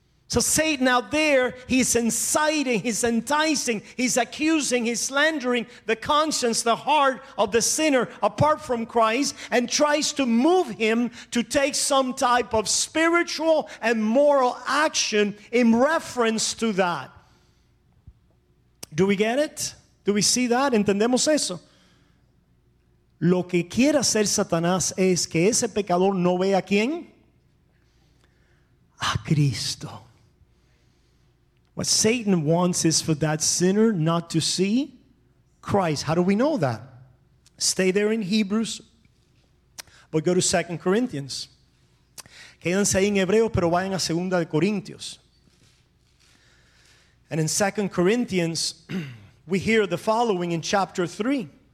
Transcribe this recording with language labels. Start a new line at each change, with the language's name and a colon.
English: So Satan out there, he's inciting, he's enticing, he's accusing, he's slandering the conscience, the heart of the sinner apart from Christ, and tries to move him to take some type of spiritual and moral action in reference to that. Do we get it? Do we see that?
Spanish: ¿Entendemos eso? Lo que quiere hacer Satanás es que ese pecador no vea a quién. A Cristo.
English: What Satan wants is for that sinner not to see Christ. How do we know that? Stay there in Hebrews, but go to 2 Corinthians.
Spanish: Quédense ahí en Hebreos, pero vayan a 2 Corintios.
English: And in 2 Corinthians, we hear the following in chapter 3.